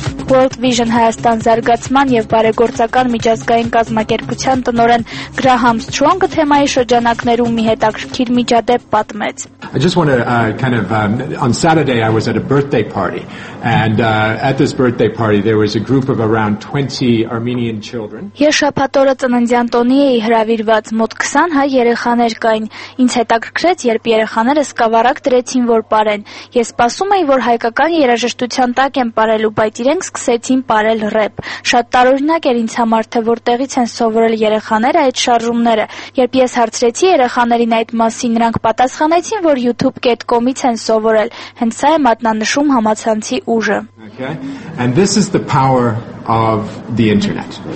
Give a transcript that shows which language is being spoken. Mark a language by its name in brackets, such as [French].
[Armenian] World Vision Հայաստան զարգացման և բարեգործական միջազգային կազմակերպության տնօրեն Գրահամ Սթրոնգը թեմայի շրջանակներում մի հետաքրքիր միջադեպ պատմեց։ [English] I just want to kind of on Saturday I was at a birthday party and at this birthday party there was a group of around 20 Armenian children. [Armenian] Ես շաբաթօրը ծննդյան տոնի էի հրավիրված, մոտ 20 հայ երեխաներ կային։ Ինձ հետաքրքրեց, երբ երեխաները սկավառակ դրեցին, որ պարեն։ Ես սպասում էի, որ հայկական երաժշտության տակ են պարելու, բայց իրենք սկսեցին պարել ռեփ։ Շատ տարօրինակ էր ինձ համար, թե որտեղից են սովորել երեխաները այդ շարժումները։ Երբ ես հարցրեցի երեխաներին այդ մասին, նրանք պատասխանեցին, որ youtube.com-ից են սովորել, հենց սա է մատնանշում համացանցի ուժը։ [English] Okay. And this is the power of the internet.